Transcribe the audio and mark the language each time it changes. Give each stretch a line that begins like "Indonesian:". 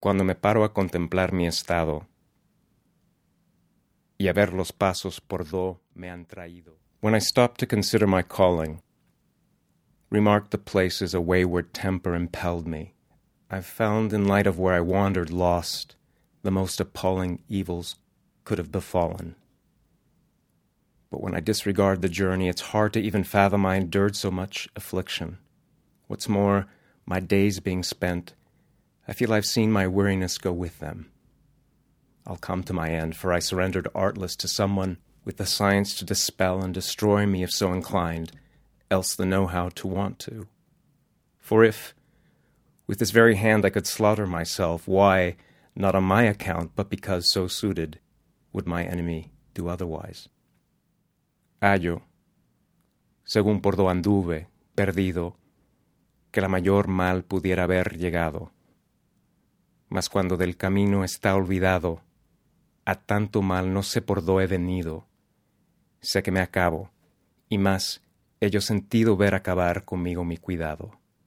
Spanish: Cuando me paro a contemplar mi estado y a ver los pasos por do me han traído.
English: When I stop to consider my calling, remark the places a wayward temper impelled me, I've found in light of where I wandered lost, the most appalling evils could have befallen. But when I disregard the journey, it's hard to even fathom I endured so much affliction. What's more, my days being spent, I feel I've seen my weariness go with them. I'll come to my end, for I surrendered artless to someone with the science to dispel and destroy me if so inclined, else the know-how to want to. For if, with this very hand, I could slaughter myself, why, not on my account, but because so suited, would my enemy do otherwise?
Spanish: Hallo, según por do anduve, perdido, que la mayor mal pudiera haber llegado. Mas cuando del camino está olvidado, a tanto mal no sé por do he venido. Sé que me acabo, y más, he yo sentido ver acabar conmigo mi cuidado.